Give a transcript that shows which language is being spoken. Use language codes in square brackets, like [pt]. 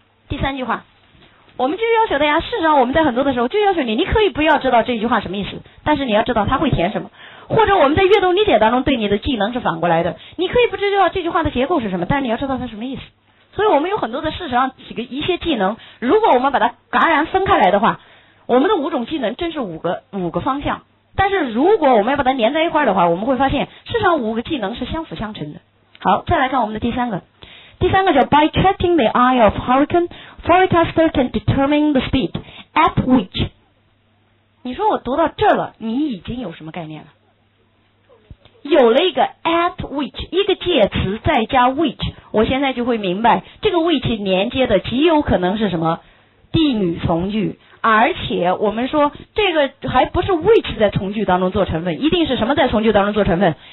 [zh] 第三句话，我们就要求大家，事实上我们在很多的时候就要求你，你可以不要知道这句话什么意思，但是你要知道它会填什么，或者我们在阅读理解当中对你的技能是反过来的，你可以不知道这句话的结构是什么，但是你要知道它什么意思。所以我们有很多的事实上几个一些技能，如果我们把它戛然分开来的话，我们的五种技能真是五个方向，但是如果我们要把它连在一块的话，我们会发现事实上五个技能是相辅相成的。好，再来看我们的第三个叫 [en] By tracking the eye of hurricane forecaster can determine the speed at which。 [zh] 你说我读到这了，你已经有什么概念了？有了一个 [en] at which， [zh] 一个介词再加 which， 我现在就会明白这个 which 连接的极有可能是什么？定语从句。而且我们说这个还不是 which 在从句当中做成分，一定是什么在从句当中做成分？